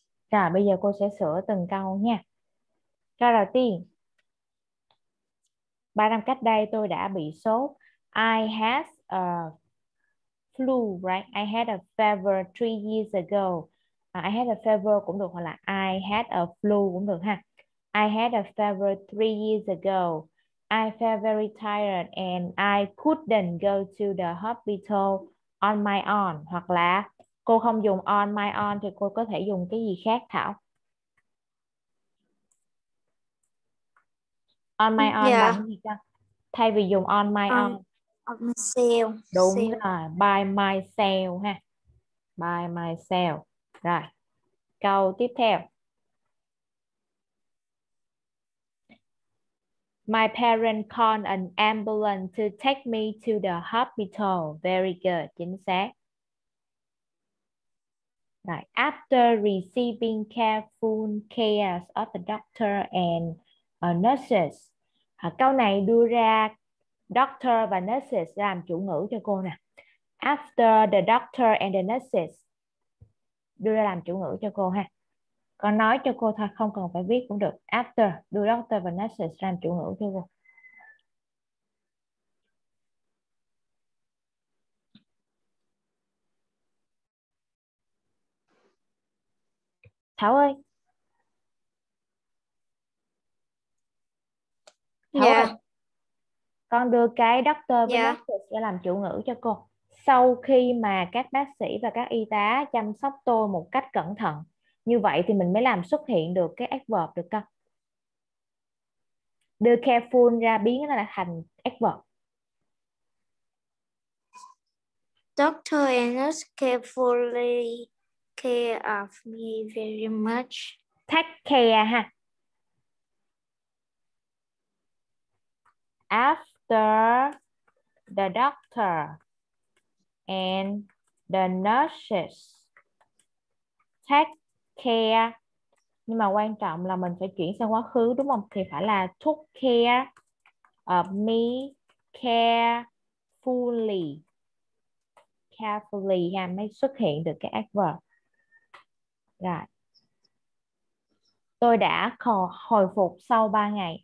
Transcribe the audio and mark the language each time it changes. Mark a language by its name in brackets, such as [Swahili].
[Vietnamese] Rồi bây giờ cô sẽ sửa từng câu nha. Câu đầu tiên. 3 năm cách đây tôi đã bị sốt. [English] I had a flu, right? I had a fever 3 years ago. I had a fever [Vietnamese] cũng được, hoặc là [English] I had a flu [Vietnamese] cũng được ha. [English] I had a fever 3 years ago. I felt very tired and I couldn't go to the hospital on my own. [Vietnamese] Hoặc là cô không dùng on my own thì cô có thể dùng cái gì khác Thảo? [English] On my own [Vietnamese] là cái gì cơ? Thay vì dùng on my own. [English] On myself. [Vietnamese] Đúng rồi. [English] By myself [Vietnamese] ha. By myself. Rồi. Câu tiếp theo. [English] My parents called an ambulance to take me to the hospital. Very good. [Vietnamese] Chính xác. [English] Right. After receiving careful care of the doctor and nurses. [Vietnamese] Câu này đưa ra doctor và nurses làm chủ ngữ cho cô nè. [English] After the doctor and the nurses. [Vietnamese] Đưa ra làm chủ ngữ cho cô ha. Còn nói cho cô thôi, không cần phải viết cũng được. After, đưa doctor và nurses làm chủ ngữ cho cô. Thảo ơi. Thảo ơi. Con đưa cái doctor và nurses để làm chủ ngữ cho cô. Sau khi mà các bác sĩ và các y tá chăm sóc tôi một cách cẩn thận, như vậy thì mình mới làm xuất hiện được cái adverb được không? Đưa careful ra biến nó là thành adverb. [English] Doctor and nurse carefully care of me very much. Take care ha. After the doctor and the nurses take care. [Vietnamese] Nhưng mà quan trọng là mình phải chuyển sang quá khứ đúng không? Thì phải là [English] took care of me carefully. [Vietnamese] Carefully ha, mới xuất hiện được cái adverb. Rồi. Tôi đã hồi phục sau 3 ngày.